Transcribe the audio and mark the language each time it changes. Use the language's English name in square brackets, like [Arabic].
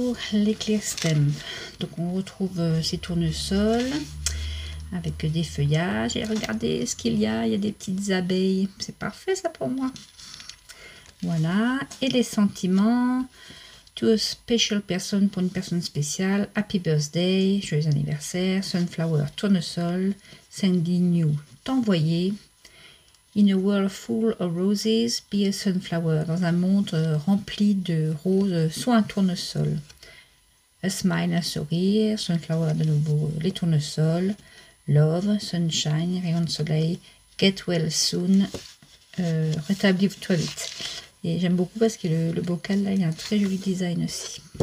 [French] Les clear stamps, donc on retrouve ces tournesols avec des feuillages et regardez ce qu'il y a, il y a des petites abeilles, c'est parfait ça pour moi. Voilà, et les sentiments, [English] to a special person, [French] pour une personne spéciale, [English] happy birthday, [French] joyeux anniversaire, sunflower, tournesol, [English] sending you, [French] t'envoyer. [English] In a world full of roses, be a sunflower. [French] Dans un monde rempli de roses, sois un tournesol. [English] A smile, [French] un sourire. Sunflower, de nouveau, les tournesols. [English] Love, sunshine, [French] rayon de soleil. [English] Get well soon. [French] Rétablis-toi vite. Et j'aime beaucoup parce que le bocal, là, il y a un très joli design aussi.